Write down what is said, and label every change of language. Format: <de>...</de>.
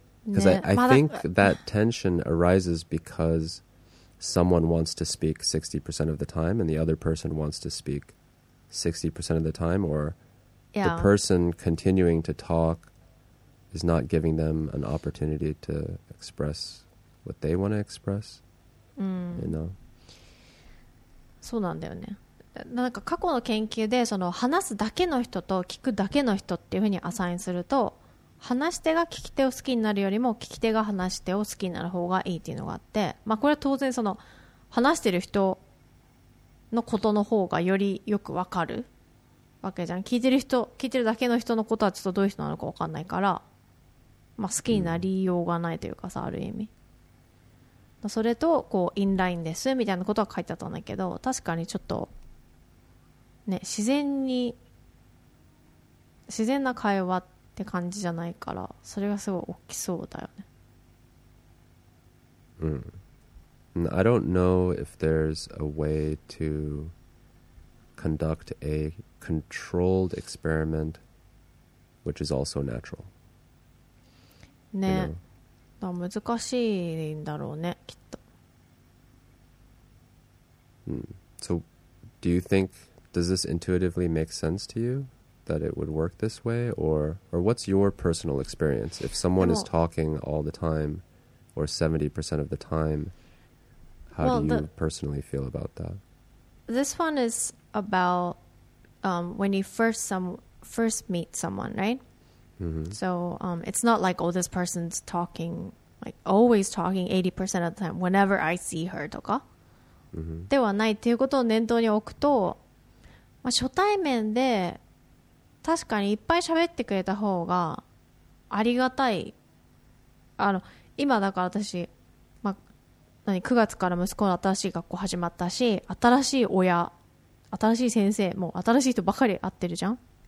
<en>Because I think that tension arises because someone wants to speak 60% of the time and the other person wants to speak 60% of the time, or the person continuing to talk is not giving them an opportunity to express what they want to express. You know?</en> <ja>そうなんだよね。なんか過去の研究でその話すだけの人と聞くだけの人っていうふうにアサインすると、話し手が聞き手を好きになるよりも聞き手が話し手を好きになる方がいいっていうのがあって、まあこれは当然その話してる人のことの方がよりよくわかるわけじゃん。聞いてる人、聞いてるだけの人のことはちょっとどういう人なのかわかんないから、まあ好きになりようがないというかさ、ある意味、それとこうインラインですみたいなことは書いてあったんだけど、確かにちょっとね、自然に自然な会話って感じじゃないから、それがすごい大きそうだよね。うん。</ja> <en>I don't know if there's a way to conduct a controlled experiment which is also natural.</en> <ja>ね。</ja> <en>You know?</en> <ja>難しいんだろうね、きっと。</ja> <en>So, do you think, does this intuitively make sense to you that it would work this way? Or what's your personal experience? If someone is talking all the time or 70% of the time, how do you personally feel about that? This one is about when you first meet someone, right? Mm-hmm. So it's not like, oh, this person's talking, like always talking 80% of the time whenever I see her</en> <ja>とか、 mm-hmm. ではないっていうことを念頭に置くと、まあ、初対面で確かにいっぱい喋ってくれた方がありがたい。あの今だから私、まあ、何、9月から息子の新しい学校始まったし、新しい親、新しい先生、もう新しい人ばかり会ってるじゃん。</ja>